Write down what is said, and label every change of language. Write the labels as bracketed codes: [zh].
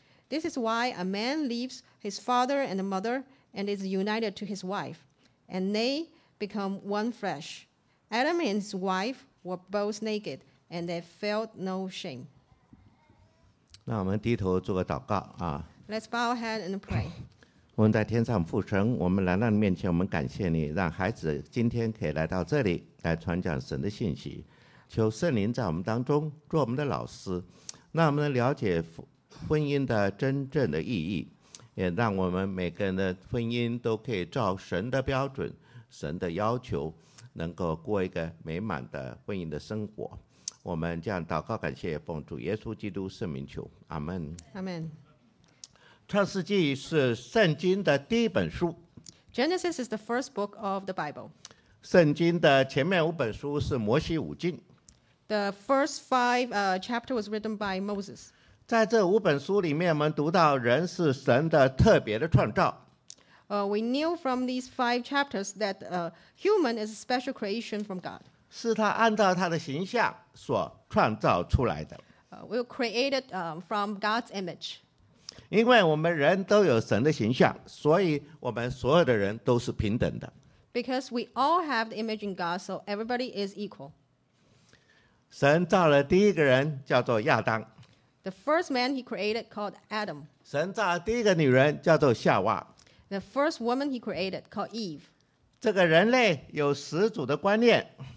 [en] This is why a man leaves his father and mother and is united to his wife, and they become one flesh. Adam and his wife were both naked, and they felt no shame." [zh] 那我们低头做个祷告啊。 [en] Let's bow our head and pray. [zh] 我们在天上父神，我们来到你面前，我们感谢你，让孩子今天可以来到这里来传讲神的信息。求圣灵在我们当中，做我们的老师，那我们能了解婚姻的真正的意义，也让我们每个人的婚姻都可以照神的标准、神的要求，能够过一个美满的婚姻的生活。我们这样祷告感谢，奉主耶稣基督圣名求，阿们，阿们。创世纪是圣经的第一本书， [en] Genesis is the first book of the Bible。 [zh] 圣经的前面五本书是摩西五经， [en] The first five chapter was written by Moses。 [zh] 在这五本书里面，我们读到人是神的特别的创造。 [en] We knew from these five chapters that human is a special creation from God. [zh] 是他按照他的形象所创造出来的。 [en] We were created from God's image. [zh] 因为我们人都有神的形象，所以我们所有的人都是平等的。 [en] Because we all have the image in God, so everybody is equal. [zh] 神造了第一个人叫做亚当。 [en] The first man he created called Adam. [zh] 神造了第一个女人叫做夏娃。 [en] The first woman he created, called Eve. [zh] 这个人类有始祖的观念。